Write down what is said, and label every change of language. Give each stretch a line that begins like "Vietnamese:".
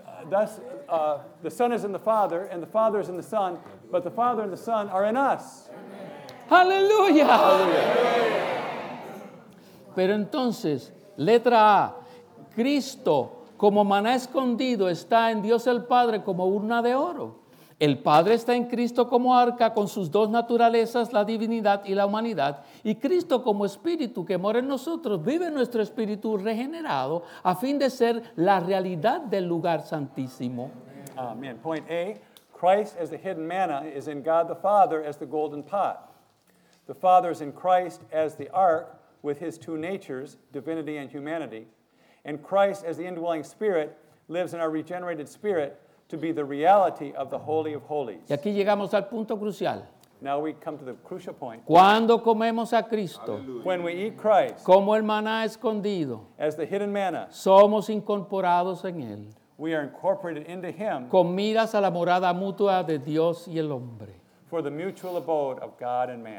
English: Thus the Son is in the Father and the Father is in the Son, but the Father and the Son are in us.
Spanish: Aleluya. Pero entonces, letra A, Cristo como maná escondido está en Dios el Padre como urna de oro. El Padre está en Cristo como arca con sus dos naturalezas, la divinidad y la humanidad. Y Cristo como espíritu que mora en nosotros, vive nuestro espíritu regenerado a fin de ser la realidad del lugar santísimo. Amen.
English: Point A, Christ as the hidden manna is in God the Father as the golden pot. The Father is in Christ as the ark with his two natures, divinity and humanity. And Christ as the indwelling spirit lives in our regenerated spirit to be the reality of the Holy of Holies.
Spanish: Y aquí llegamos al punto crucial.
English: Now we come to the crucial point.
Spanish: Cuando comemos a Cristo.
English: Hallelujah. When we eat Christ.
Spanish: Como el maná escondido.
English: As the hidden manna.
Spanish: Somos incorporados en él.
English: We are incorporated into him.
Spanish: Con miras a la morada mutua de Dios y el hombre.
English: For the mutual abode of God and man.